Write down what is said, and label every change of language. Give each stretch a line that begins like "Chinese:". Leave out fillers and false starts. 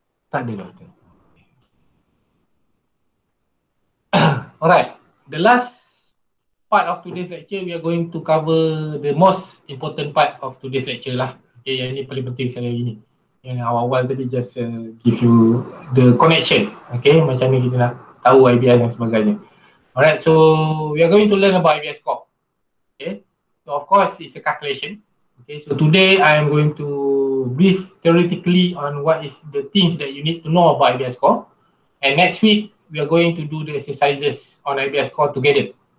Malay: Tak ada, Doktor.
English: Alright, the last part of today's lecture, we are going to cover the most important part of today's lecture lah.
Malay: Okay, yang ni paling penting sekali hari ni. Yang awal-awal tadi
English: just give you the connection.
Malay: Okay, macam ni kita nak tahu IBS dan sebagainya.
English: Alright, so we are going to learn about IBS Core. Okay, so of course it's a calculation. Okay, so today I am going to brief theoretically on what is the things that you need to know about IBS Core. And next week, we are going to do the exercises on IBS Core together.